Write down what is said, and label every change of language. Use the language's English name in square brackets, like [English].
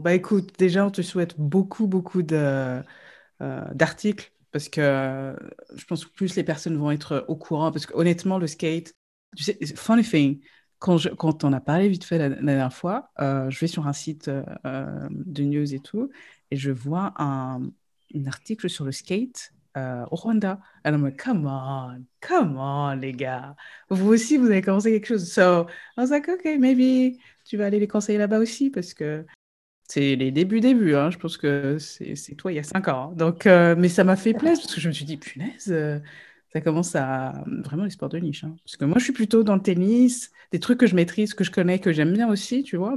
[French] Bah, écoute, déjà, on te souhaite beaucoup, beaucoup d'articles, parce que je pense que plus les personnes vont être au courant, parce qu'honnêtement, le skate, tu sais, [English] funny thing, [French] Quand on a parlé vite fait la dernière fois, je vais sur un site de news et tout, et je vois un article sur le skate au Rwanda. [English] And I'm like, come on, [French] les gars. Vous aussi, vous avez commencé quelque chose. [English] So, I was like, okay, maybe [French] tu vas aller les conseiller là-bas aussi, parce que c'est les débuts, hein. Je pense que c'est toi, il y a 5 ans. Donc, mais ça m'a fait plaisir, parce que je me suis dit, punaise ça commence à vraiment les sports de niche. Hein. Parce que moi, je suis plutôt dans le tennis, des trucs que je maîtrise, que je connais, que j'aime bien aussi, tu vois.